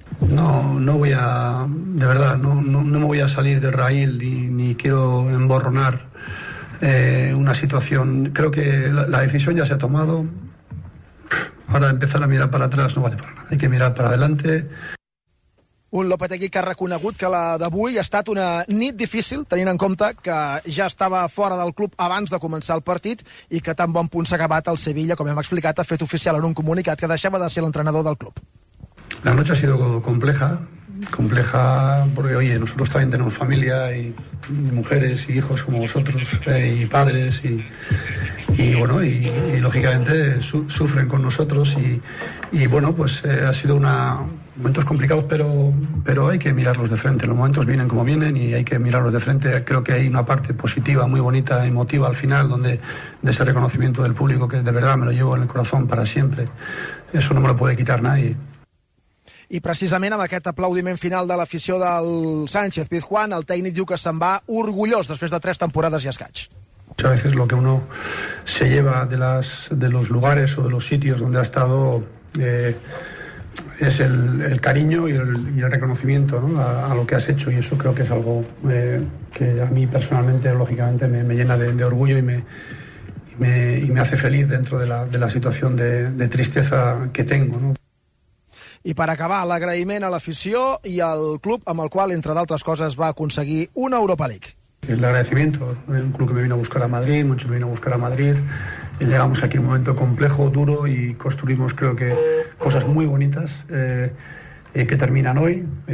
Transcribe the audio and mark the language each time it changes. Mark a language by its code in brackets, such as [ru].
[es] No me voy a salir del raíl ni quiero emborronar una situación. Creo que la decisión ya se ha tomado. Ahora empezar a mirar para atrás no vale para nada. Hay que mirar para adelante. [ca] Un Lopetegui que ha reconegut que la d'avui ha estat una nit difícil, tenint en compte que ja estava fora del club abans de començar el partit i que tan bon punt s'ha acabat el Sevilla, com hem explicat, ha fet oficial en un comunicat que deixava de ser l'entrenador del club. [es] La noche ha sido compleja, compleja porque, oye, nosotros también tenemos familia y mujeres y hijos como vosotros, y padres, y bueno, y lógicamente sufren con nosotros y bueno, pues ha sido una... momentos complicados, pero hay que mirarlos de frente. Los momentos vienen como vienen y hay que mirarlos de frente. Creo que hay una parte positiva, muy bonita, emotiva al final, donde de ese reconocimiento del público, que de verdad me lo llevo en el corazón para siempre. Eso no me lo puede quitar nadie. [ca] I precisament amb aquest aplaudiment final de l'afició del Sánchez Pizjuán, el tècnic diu que se'n va orgullós després de tres temporades i escaig. [es] A veces lo que uno se lleva de las de los lugares o de los sitios donde ha estado es el cariño y el reconocimiento, ¿no? a lo que has hecho, y eso creo que es algo que a mí personalmente, lógicamente, me llena de orgullo y me hace feliz dentro de la situación de tristeza que tengo, ¿no? [ca] I per acabar, l'agraïment a l'afició i al club amb el qual, entre d'altres coses, va aconseguir una Europa League. [es] El agradecimiento, un club que me vino a buscar a Madrid, mucho me vino a buscar a Madrid. Llegamos aquí en un momento complejo, duro, y construimos, creo que, cosas muy bonitas que terminan hoy.